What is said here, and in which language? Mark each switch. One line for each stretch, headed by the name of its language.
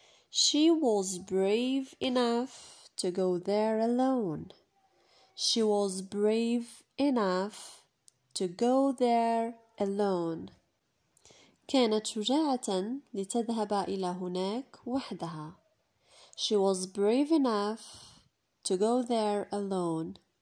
English: She was brave enough to go there alone. She was brave enough to go there alone.
Arabic: كانت شجاعة لتذهب إلى هناك وحدها.
English: She was brave enough to go there alone.